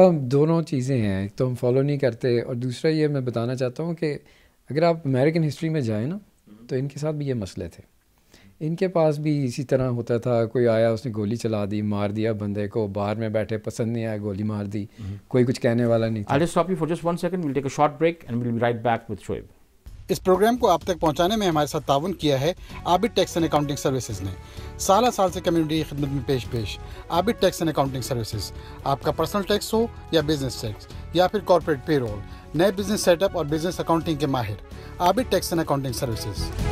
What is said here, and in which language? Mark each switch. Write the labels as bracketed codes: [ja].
[ur] دونوں چیزیں ہیں, ایک تو ہم فالو نہیں کرتے, اور دوسرا یہ میں بتانا چاہتا ہوں کہ اگر آپ امیرکن ہسٹری میں جائیں نا تو ان کے ساتھ بھی یہ مسئلے تھے. ان کے پاس بھی اسی طرح ہوتا تھا, کوئی آیا اس نے گولی چلا دی, مار دیا بندے کو, باہر میں بیٹھے پسند نہیں آیا گولی مار دی, کوئی کچھ کہنے والا نہیں تھا. [en] I'll just stop you for just one second, we'll take a short break and we'll be right back with Shoaib. [ur] اس programme کو آپ تک پہنچانے میں ہمارے ساتھ تعاون کیا ہے عابد ٹیکس اینڈ اکاؤنٹنگ سروسز نے. سالہ سال سے کمیونٹی کی خدمت میں پیش عابد ٹیکس اینڈ اکاؤنٹنگ سروسز. آپ کا پرسنل ٹیکس ہو یا بزنس ٹیکس یا پھر کارپوریٹ پے رول, نئے بزنس سیٹ اپ اور بزنس اکاؤنٹنگ کے ماہر, عابد ٹیکس اینڈ اکاؤنٹنگ سروسز.